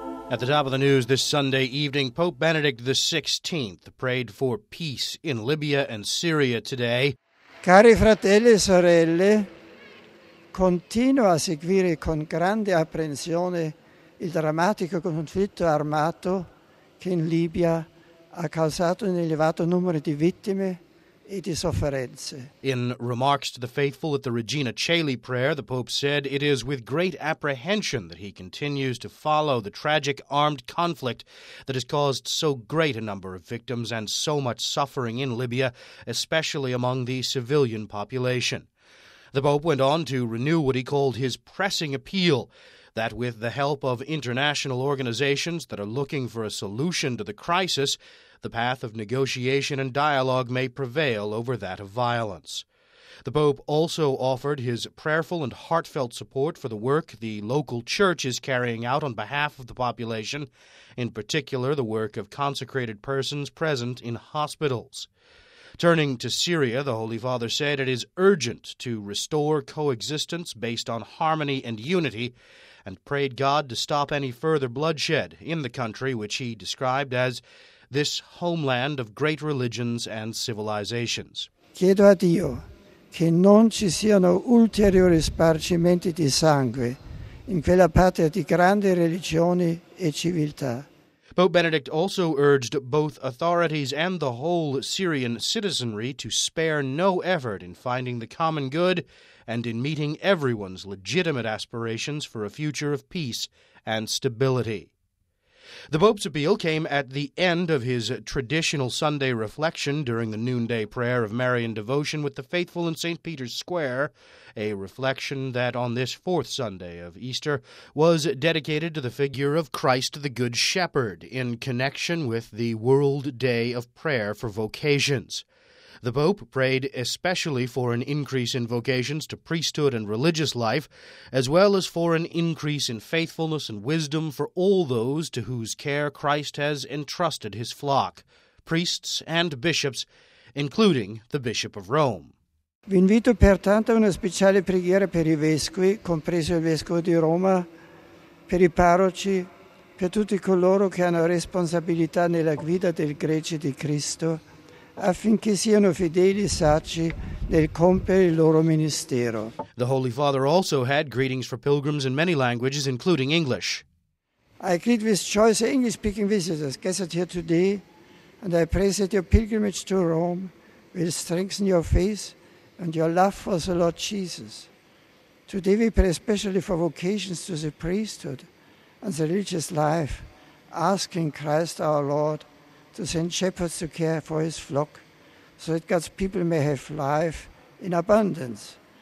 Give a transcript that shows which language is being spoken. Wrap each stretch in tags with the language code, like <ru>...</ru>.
<en>At the top of the news this Sunday evening, Pope Benedict XVI prayed for peace in Libya and Syria today.</en> <it>Cari fratelli e sorelle, continuo a seguire con grande apprensione il drammatico conflitto armato che in Libia ha causato un elevato numero di vittime e di sofferenze.</it> <en>In remarks to the faithful at the Regina Caeli prayer, the Pope said it is with great apprehension that he continues to follow the tragic armed conflict that has caused so great a number of victims and so much suffering in Libya, especially among the civilian population. The Pope went on to renew what he called his pressing appeal that with the help of international organizations that are looking for a solution to the crisis, the path of negotiation and dialogue may prevail over that of violence. The Pope also offered his prayerful and heartfelt support for the work the local church is carrying out on behalf of the population, in particular the work of consecrated persons present in hospitals. Turning to Syria, the Holy Father said it is urgent to restore coexistence based on harmony and unity, and prayed God to stop any further bloodshed in the country, which he described as this homeland of great religions and civilizations.</en> <it>Chiedo a Dio che non ci siano ulteriori spargimenti di sangue in quella patria di grandi religioni e civiltà.</it> <en>Pope Benedict also urged both authorities and the whole Syrian citizenry to spare no effort in finding the common good and in meeting everyone's legitimate aspirations for a future of peace and stability. The Pope's appeal came at the end of his traditional Sunday reflection during the noonday prayer of Marian devotion with the faithful in St. Peter's Square, a reflection that on this fourth Sunday of Easter was dedicated to the figure of Christ the Good Shepherd in connection with the World Day of Prayer for Vocations. The Pope prayed especially for an increase in vocations to priesthood and religious life, as well as for an increase in faithfulness and wisdom for all those to whose care Christ has entrusted his flock, priests and bishops, including the Bishop of Rome.</en> <it>Vi invito pertanto a una speciale preghiera per i vescovi, compreso il vescovo di Roma, per i parroci, per tutti coloro che hanno responsabilità nella guida del Gregge di Cristo, affinché siano fedeli e saggi nel compiere il loro ministero.</it> <en>The Holy Father also had greetings for pilgrims in many languages, including English. I greet with choice English-speaking visitors gathered here today, and I pray that your pilgrimage to Rome will strengthen your faith and your love for the Lord Jesus. Today we pray especially for vocations to the priesthood and the religious life, asking Christ our Lord to send shepherds to care for his flock, so that God's people may have life in abundance.</en>